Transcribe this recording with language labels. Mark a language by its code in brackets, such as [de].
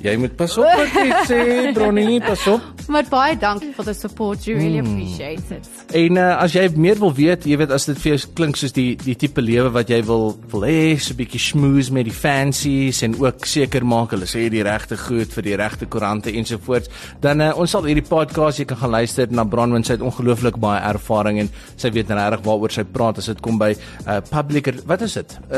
[af] Jy moet pas op wat jy sê, Bronny, pas op. Maar baie dankie vir [en] the support, you really appreciate it. [af] En as jy meer wil weet, jy weet as dit vir jou klink soos die type lewe wat jy wil hê, so 'n bietjie smooth met die fancies en ook seker maak hulle sê die regte goed vir die regte koerante ensovoorts, dan ons sal hierdie podcast jy kan gaan luister na Bronwyn, sy het ongelooflik baie ervaring en sy weet regtig waaroor sy praat as dit kom by public, wat is dit?